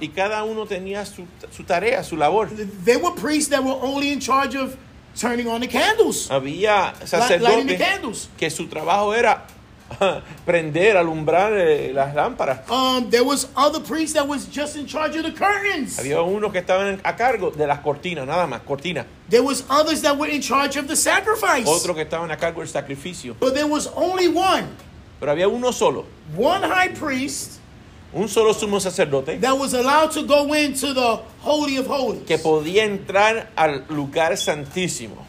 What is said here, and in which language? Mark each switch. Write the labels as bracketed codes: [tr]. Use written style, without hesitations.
[es] Y cada uno tenía su tarea, su labor. [en] There were priests that were only in charge of turning on the candles. [es] Había sacerdotes que su trabajo era prender, alumbrar las lámparas. [en] There was other priests that was just in charge of the curtains. [es] Había uno que estaba a cargo de las cortinas, nada más, cortinas. [en] There was others that were in charge of the sacrifice. [es] Otro que estaba a cargo del sacrificio. [en] But there was only one. [es] Pero había uno solo. [en] One high priest. [es] Un solo sumo sacerdote. [en] That was allowed to go into the Holy of Holies. [es] Que podía entrar al lugar santísimo.